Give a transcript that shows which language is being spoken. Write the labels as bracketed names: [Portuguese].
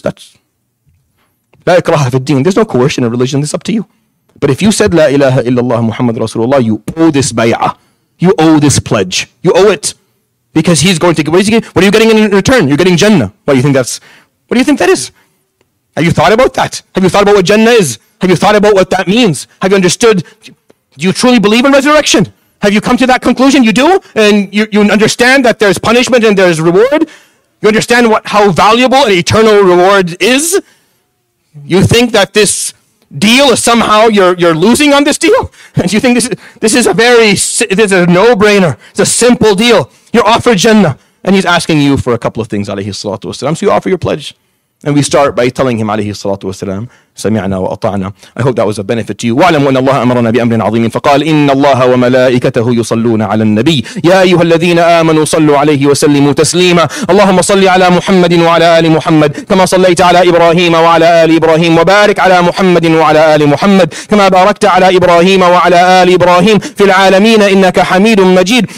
[English] That's [Arabic] لا إكراه في الدين. [English] There's no coercion in religion. It's up to you. But if you said [Arabic] لا إله إلا الله محمد رسول الله, [English] you owe this bay'a. You owe this pledge. You owe it. Because he's going to get, what are you getting in return? You're getting Jannah. What do you think that is? Have you thought about that? Have you thought about what Jannah is? Have you thought about what that means? Have you understood? Do you truly believe in resurrection? Have you come to that conclusion? You do? And you understand that there's punishment and there's reward? You understand how valuable an eternal reward is? You think that this deal is somehow you're losing on this deal? And you think this is a no-brainer. It's a simple deal. You're offered Jannah. And he's asking you for a couple of things, alayhi salatu wasalam. So you offer your pledge. And we start by telling him, alayhi salatu wasalam, [Arabic] سمعنا وأطعنا. [English] I hope that was a benefit to you. [Arabic] وَعْلَمُوا أَنَّ اللَّهَ أَمَرَنَا بِأَمْرٍ عَظِيمٍ فَقَالَ إِنَّ اللَّهَ وَمَلَائِكَتَهُ يُصَلُّونَ عَلَى النَّبِيِّ يَا أَيُّهَا الَّذِينَ آمَنُوا صَلُّوا عَلَيْهِ وَسَلِّمُوا تَسْلِيمًا اللهم صل على محمد وعلى آل محمد كما صليت على إبراهيم وعلى آل إبراهيم وبارك على محمد وعلى آل محمد كما باركت على إبراهيم وعلى آل إبراهيم في العالمين إنك حميد مجيد